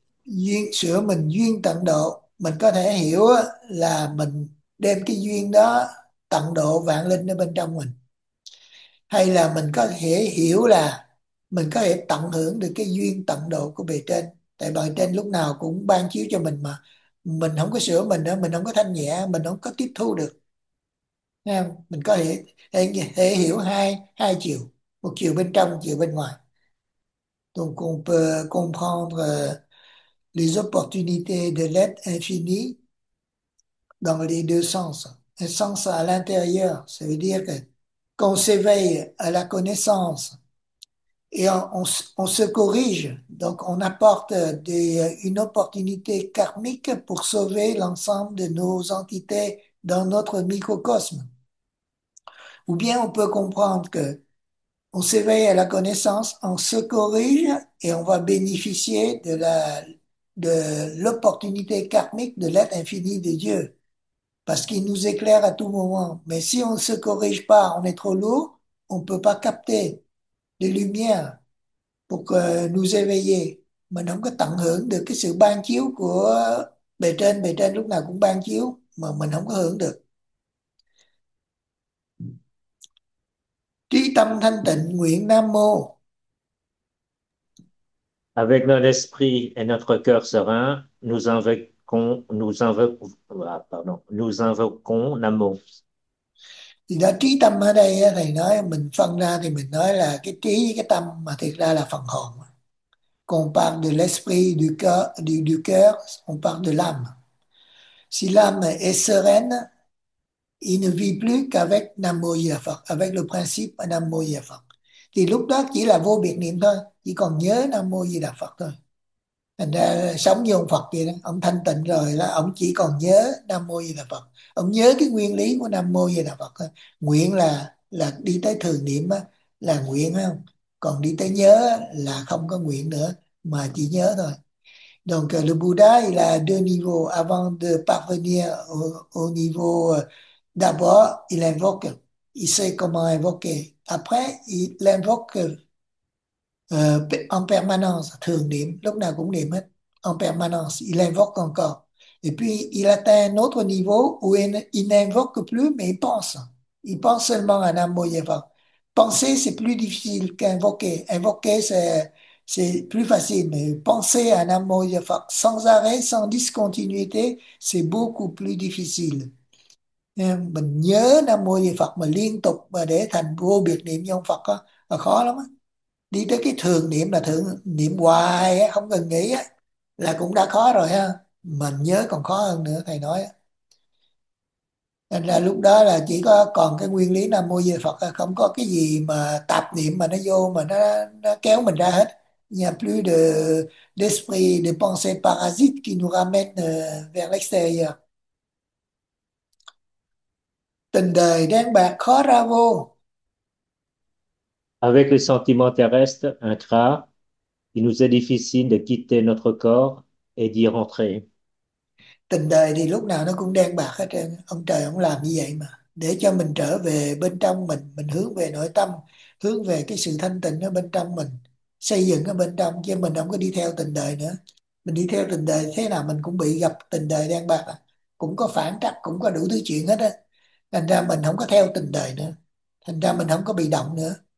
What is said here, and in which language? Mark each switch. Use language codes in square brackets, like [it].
[vi] duyên sửa mình duyên tận độ, mình có thể hiểu là mình đem cái duyên đó tận độ vạn linh ở bên trong mình, hay là mình có thể hiểu là mình có thể tận hưởng được cái duyên tận độ của bề trên, tại bề trên lúc nào cũng ban chiếu cho mình mà. Mình không có sửa mình nữa, mình không có thanh nhẹ, mình không có tiếp thu được. Nghe không? Mình có thể hiểu hai chiều, một chiều bên trong, một chiều bên ngoài. [fr] Donc on peut comprendre les opportunités de l'être infini dans les deux sens. Un sens à l'intérieur, ça veut dire que quand on s'éveille à la connaissance et on se corrige, donc on apporte une opportunité karmique pour sauver l'ensemble de nos entités dans notre microcosme. Ou bien on peut comprendre que on s'éveille à la connaissance, on se corrige et on va bénéficier de l'opportunité karmique de l'être infini de Dieu, parce qu'il nous éclaire à tout moment. Mais si on ne se corrige pas, on est trop lourd, on ne peut pas capter les lumières pour que nous éveiller. [vi] Mình không có tận hưởng được cái sự ban chiếu của bề trên. Bề trên lúc nào cũng ban chiếu mà mình không có hưởng được. Trí tâm thanh tịnh, nguyện Nam Mô. [fr] Avec notre esprit et notre cœur serein, nous invoquons l'amour. [vi] Thì đó, trí tâm ở đây thầy nói mình phân ra thì mình nói là cái trí với cái tâm, mà thiệt ra là phần hồn. [fr] Còn parle de l'esprit, du cœur, on parle de l'âme. Si l'âme est sereine, il ne vit plus qu'avec Nam Mô Di Đà Phật, avec le principe Nam Mô Di Đà Phật. [vi] Thì lúc đó chỉ là vô biệt niệm thôi, chỉ còn nhớ Nam Mô Di Đà Phật thôi. Thành ra sống như ông Phật vậy đó, ông thanh tịnh rồi là ông chỉ còn nhớ Nam Mô Di Đà Phật. Ông nhớ cái nguyên lý của Nam Mô Di Đà Phật thôi. Nguyện là đi tới thường niệm đó, là nguyện phải không? Còn đi tới nhớ là không có nguyện nữa mà chỉ nhớ thôi. [fr] Donc le Bouddha il a deux niveaux. Avant de parvenir au niveau d'abord, il invoque. Il sait comment invoquer. Après, il l'invoque en permanence, [vi] thường niệm, lúc nào cũng niệm hết, [fr] en permanence, il invoque encore. Et puis, il atteint un autre niveau où il n'invoque plus, mais il pense. Il pense seulement à Nam Mô Di Đà Phật. Penser, c'est plus difficile qu'invoquer. Invoquer, c'est plus facile, mais penser à Nam Mô Di Đà Phật sans arrêt, sans discontinuité, c'est beaucoup plus difficile. [vi] Mình nhớ Nam Mô Di Đà Phật mà liên tục mà để thành vô biệt niệm như ông Phật đó, là khó lắm đó. Đi tới cái thường niệm là thường niệm hoài không cần nghĩ là cũng đã khó rồi ha, mà nhớ còn khó hơn nữa thầy nói. Nên là lúc đó là chỉ có còn cái nguyên lý Nam Mô Di Phật, không có cái gì mà tạp niệm mà nó vô mà nó kéo mình ra hết. [fr] Il n'y a plus d'esprit, de pensée parasite qui nous ramène vers l'extérieur. [vi] Tình đời đen bạc khó ra vô. [fr] Avec les sentiments terrestres intra, il nous est difficile de quitter notre corps et d'y rentrer. [vi] Tình đời thì lúc nào nó cũng đen bạc hết trơn, ông trời ông làm như vậy mà, để cho mình trở về bên trong mình hướng về nội tâm, hướng về cái sự thanh tịnh ở bên trong mình, xây dựng ở bên trong, chứ mình không có đi theo tình đời nữa. Mình đi theo tình đời thế nào mình cũng bị gặp tình đời đen bạc, cũng có phản trắc, cũng có đủ thứ chuyện hết á, thành ra mình không có theo tình đời nữa, thành ra mình không có bị động nữa.